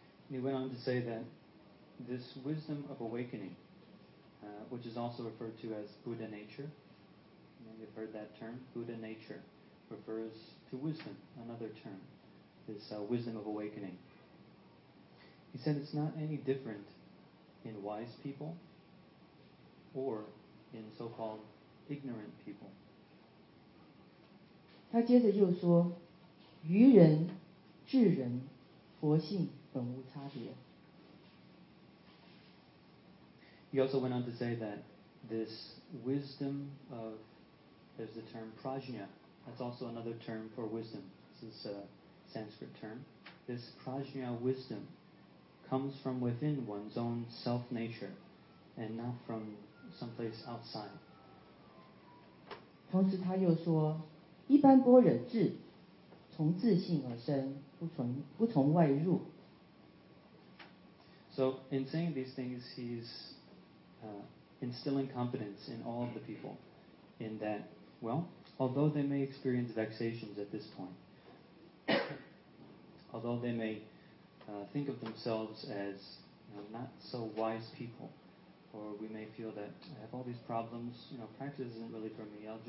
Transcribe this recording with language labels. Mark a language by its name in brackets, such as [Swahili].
[English] He went on to say that this wisdom of awakening, which is also referred to as Buddha nature, you've heard that term, Buddha nature, refers to wisdom, another term, this wisdom of awakening. He said it's not any different in wise people or in so-called ignorant people. [Chinese] 他接着又说愚人、智人、佛性本无差别。 [English] He also went on to say that this wisdom of, there's the term prajna, that's also another term for wisdom. This is a Sanskrit term. This prajna wisdom comes from within one's own self nature and not from someplace outside. [Chinese] 同时他又说一般般若智从自性而生，不从外入。 [English] So in saying these things, he's instilling confidence in all of the people, in that, well, although they may experience vexations at this point, although they may think of themselves as not so wise people, or we may feel that I have all these problems, you know, practice isn't really for me.